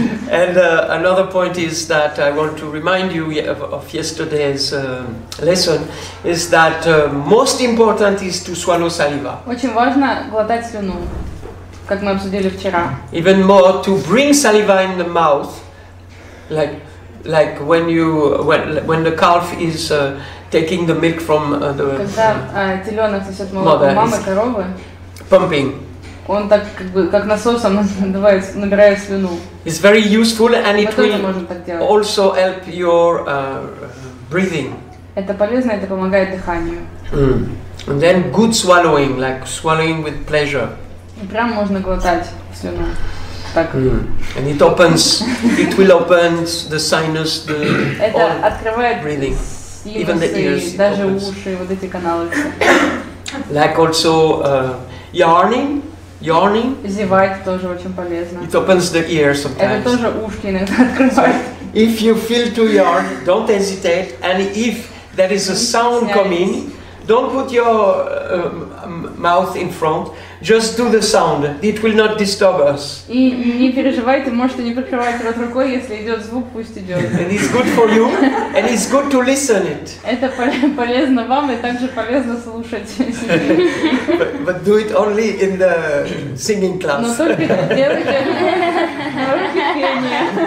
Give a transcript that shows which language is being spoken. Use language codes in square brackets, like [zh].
[en] And another point is that I want to remind you of yesterday's lesson, is that most important is to swallow saliva. [ru] Очень важно глотать слюну, как мы обсудили вчера. [en] Even more to bring saliva in the mouth, like when the calf is taking the milk from the [ru] теленок сосет молоко у мамы коровы. [en] Pumping. [ru] Он так как бы как насосом надувает, набирает слюну. [en] It's very useful and it will also help your breathing. Это полезно, это помогает дыханию. And then good swallowing, like swallowing with pleasure. [ru] И прям можно глотать слюну. Так. [en] And it opens, it will open the sinus, the [ru] это [en] all [ru] открывает [en] breathing, [ru] синусы, [en] even the ears, [ru] даже уши, вот эти каналы. [en] like also yawning. [ru] Зевать тоже очень полезно. [en] It opens the ears sometimes. [ru] Это тоже ушки иногда открывает. [en] So if you feel to yawn, don't hesitate, and if there is a sound coming, don't put your mouth in front. Just do the sound. It will not disturb us. [ru] И не переживайте, можете не прикрывать рот рукой, если идет звук, пусть идет. [en] And it's good for you, and it's good to listen it. [ru] Это полезно вам и также полезно слушать. [en] But do it only in the singing class. [ru] Но только делайте на уроке пения.